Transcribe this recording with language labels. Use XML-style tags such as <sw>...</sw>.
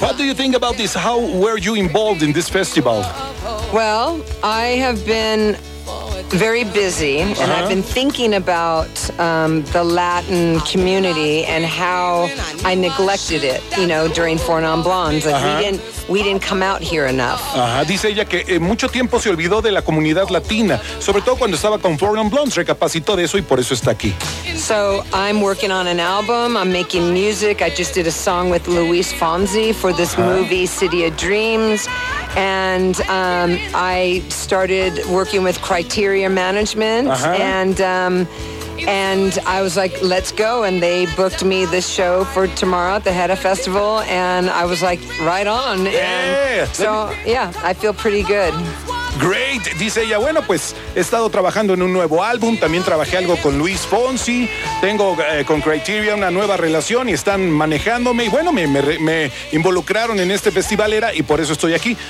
<en>What do you think about this? How were you involved in this festival? Well, I have been very busy, and I've been thinking about the Latin community and how I neglected it, you know, during Four Non Blondes. Like we didn't come out here enough. Ajá.</en> <es>Dice ella que mucho tiempo se olvidó de la comunidad latina, sobre todo cuando estaba con Four Non Blondes, recapacitó de eso y por eso está aquí.</es> <en>So I'm working on an album, I'm making music, I just did a song with Luis Fonsi for this movie City of Dreams. And I started working with Criteria Management, and I was like, let's go. And they booked me this show for tomorrow at the Hedda Festival, and I was like, right on. And I feel pretty good. Great,</en> <es>dice ella. Bueno, pues he estado trabajando en un nuevo álbum. También trabajé algo con Luis Fonsi. Tengo con Criteria una nueva relación y están manejándome. Y bueno, me involucraron en este festival era y por eso estoy aquí.</es>